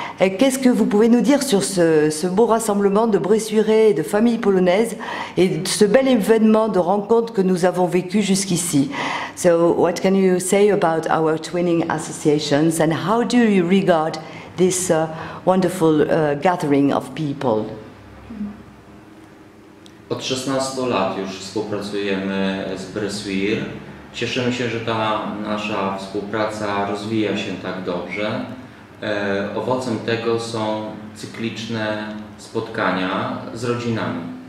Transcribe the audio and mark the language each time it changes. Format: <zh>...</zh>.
<fr>Et qu'est-ce que vous pouvez nous dire sur ce beau rassemblement de Bressuirais et de familles polonaises et ce bel événement de rencontre que nous avons vécu jusqu'ici?</fr> <en>So, what can you say about our twinning associations and how do you regard this wonderful gathering of people?</en> <pl>Od 16 lat już współpracujemy z Bressuir. Cieszymy się, że ta nasza współpraca rozwija się tak dobrze. Owocem tego są cykliczne spotkania z rodzinami.</pl>